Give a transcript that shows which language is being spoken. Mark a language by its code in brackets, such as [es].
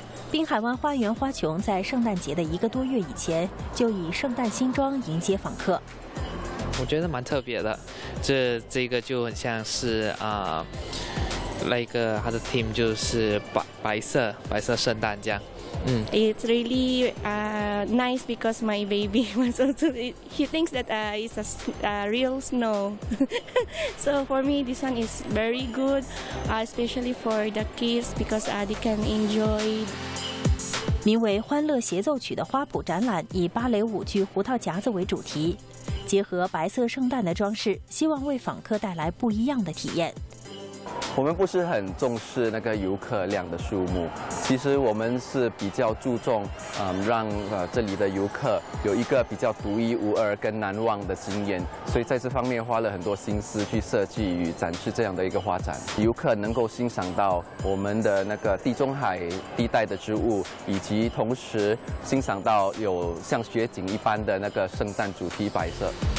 [zh] 滨海湾花园花琼在圣诞节的一个多月以前就以圣诞新装迎接访客。我觉得蛮特别的，这个就很像是那个它的 theme 就是白色圣诞这样。 [en] It's really nice because my baby was also, he thinks that it's a real snow. So for me, this one is very good, especially for the kids because they can enjoy. [zh] 名为《欢乐协奏曲》的花圃展览以芭蕾舞剧《胡桃夹子》为主题，结合白色圣诞的装饰，希望为访客带来不一样的体验。我们不是很重视那个游客量的数目，其实我们是比较注重，让这里的游客有一个比较独一无二跟难忘的经验，所以在这方面花了很多心思去设计与展示这样的一个画展，游客能够欣赏到我们的那个地中海地带的植物，以及同时欣赏到有像雪景一般的那个圣诞主题摆设。